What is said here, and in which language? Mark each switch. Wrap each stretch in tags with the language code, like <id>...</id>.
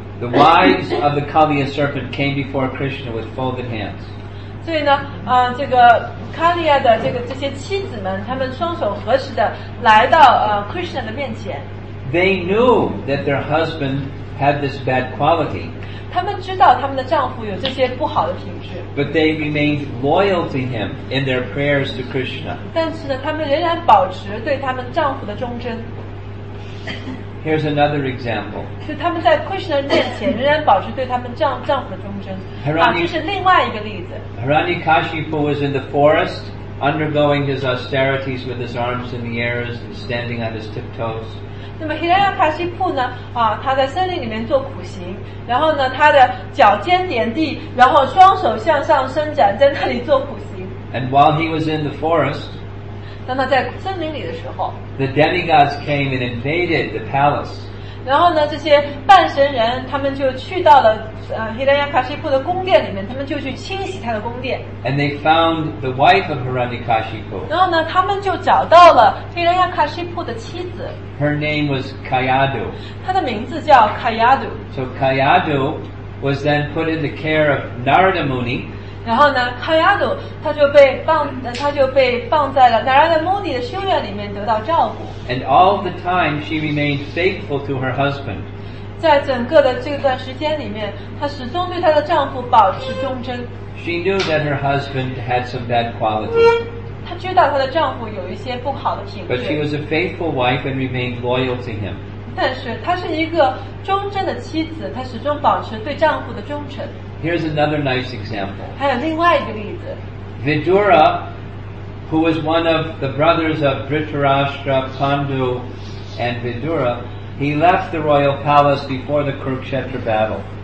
<en>，The wives of the Kaliya serpent came before Krishna with folded hands.</en> <zh>所以呢，啊，这个 Kaliya 的这些妻子们，他们双手合十的来到Krishna 的面前。</zh> <en>They knew that their husband had this bad quality.</en> <zh>他们知道他们的丈夫有这些不好的品质。</zh> <en>But they remained loyal to him in their prayers to Krishna.</en> <zh>但是呢，他们仍然保持对他们丈夫的忠贞。</zh> <en>Here's another example.</en> <zh>是他们在 Krishna 面前仍然保持对他们丈夫的忠贞。</zh> <en>Hirani,</en> <zh>啊，这是另外一个例子。</zh> <en>Hiranyakashipu was in the forest, undergoing his austerities with his arms in the air and standing on his tiptoes.</en> <zh>那么 Hiranyakashipu 呢？啊，他在森林里面做苦行，然后呢，他的脚尖点地，然后双手向上伸展，在那里做苦行。</zh> <en>And while he was in the forest,</en> <zh>当他在森林里的时候</zh> <en>，the demigods came and invaded the palace.</en> <zh>然后呢，这些半神人他们就去到了Hiranyakashipu 的宫殿里面，他们就去清洗他的宫殿。</zh> <en>And they found the wife of Hiranyakashipu.</en> <zh>然后呢，他们就找到了 Hiranyakashipu 的妻子。</zh> <en>Her name was Kayadu.</en> <zh>她的名字叫 Kayadu.</zh> <en>So Kayadu was then put in the care of Narada Muni.</en> <zh>然后呢 ，Kayadu 他就被放在了 Narada Muni 的修院里面得到照顾。</zh> <en>And all the time she remained faithful to her husband.</en> <zh>在整个的这段时间里面，她始终对她的丈夫保持忠贞。</zh> <en>She knew that her husband had some bad qualities.</en> <zh>她知道她的丈夫有一些不好的品质。</zh> <en>But she was a faithful wife and remained loyal to him.</en> <zh>但是她是一个忠贞的妻子，她始终保持对丈夫的忠诚。</zh> <en>Here's another nice example.</en> <zh>还有另外一个例子。</zh> <en>Vidura, who was one of the brothers of Dhritarashtra, Pandu, and Vidura, he left the royal palace before the Kurukshetra battle.</en>